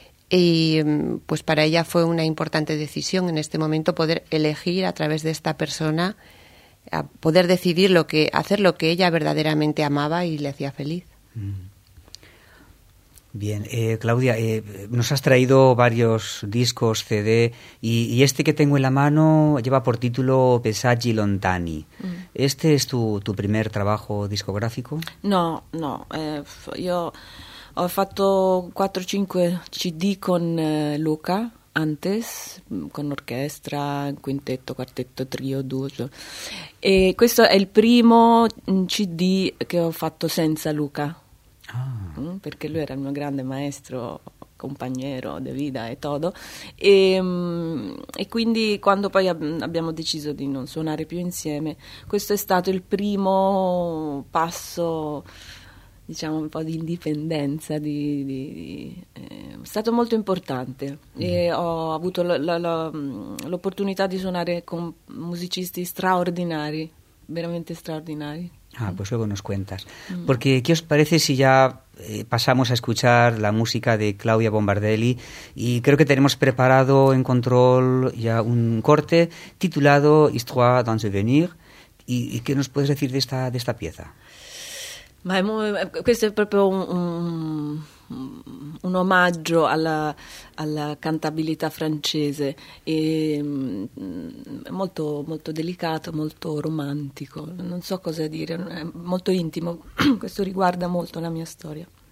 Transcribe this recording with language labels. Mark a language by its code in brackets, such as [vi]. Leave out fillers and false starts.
[es] Y pues para ella fue una importante decisión en este momento poder elegir a través de esta persona, a poder decidir hacer lo que ella verdaderamente amaba y le hacía feliz. Bien, Claudia, nos has traído varios discos, CD, y este que tengo en la mano lleva por título Paesaggi Lontani. ¿Este es tu primer trabajo discográfico? No, yo... [it] Ho fatto 4-5 CD con Luca antes, con orchestra, quintetto, quartetto, trio, duo. E questo è il primo CD che ho fatto senza Luca, perché lui era il mio grande maestro compagno di vita e tutto. E quindi quando poi abbiamo deciso di non suonare più insieme, questo è stato il primo passo, diciamo, un po' di indipendenza. È stato molto importante. E ho avuto l'opportunità di suonare con musicisti straordinari, veramente straordinari. [es] Ah, pues luego nos cuentas. Porque, ¿qué os parece si ya pasamos a escuchar la música de Claudia Bombardelli? Y creo que tenemos preparado en control ya un corte titulado Histoire d'un souvenir. ¿Y qué nos puedes decir de esta pieza? [it] Questo è proprio un omaggio alla cantabilità francese, e molto, molto delicato, molto romantico, non so cosa dire, è molto intimo, questo riguarda molto la mia storia.